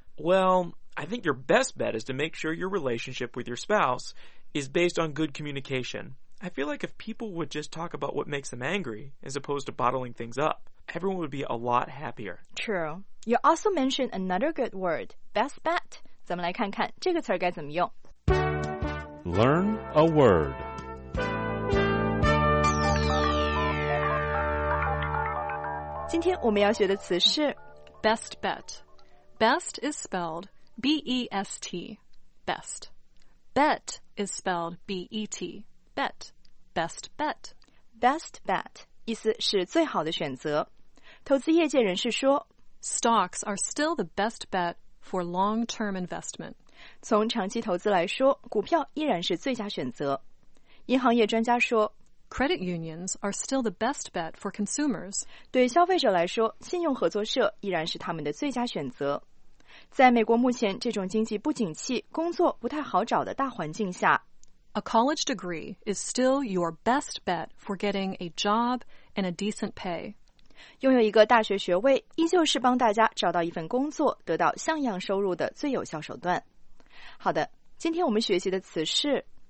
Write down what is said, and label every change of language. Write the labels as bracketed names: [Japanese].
[English] Well, I think your best bet is to make sure your relationship with your spouse is based on good communication. I feel like if people would just talk about what makes them angry, as opposed to bottling things up, everyone would be a lot happier. True. You also mentioned another good word, best bet. [Chinese] 咱们来看看这个词该怎么用。 [English] Learn a word. Today, [Chinese] 我们要学的词是 [English] best bet. Best is spelled B-E-S-T, best. Bet is spelled B-E-T, bet. Best bet. [Chinese] Best bet, 意思是最好的选择。投资业界人士说 [English] Stocks are still the best bet for long-term investment. [Chinese] 从长期投资来说，股票依然是最佳选择。银行业专家说 [English] Credit unions are still the best bet for consumers. [Chinese] 对消费者来说，信用合作社依然是他们的最佳选择。在美国目前这种经济不景气、工作不太好找的大环境下， [English] A college degree is still your best bet for getting a job and a decent pay. [Chinese] 拥有一个大学学位依旧是帮大家找到一份工作、得到像样收入的最有效手段。好的，今天我们学习的词是